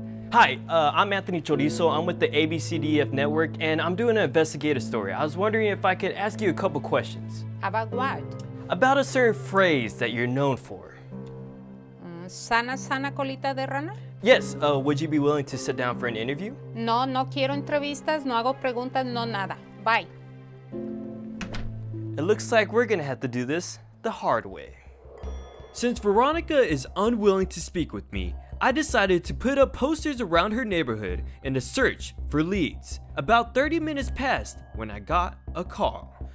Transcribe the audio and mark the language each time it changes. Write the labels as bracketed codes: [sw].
[en] Hi, I'm Anthony Chorizo. I'm with the ABCDF Network, and I'm doing an investigative story. I was wondering if I could ask you a couple questions. About what? About a certain phrase that you're known for. [es] Sana, sana, colita de rana? [en] Yes, would you be willing to sit down for an interview? [es] No, no quiero entrevistas, no hago preguntas, no nada. [en] Bye. It looks like we're gonna have to do this the hard way. Since Veronica is unwilling to speak with me, I decided to put up posters around her neighborhood in a search for leads. About 30 minutes passed when I got a call.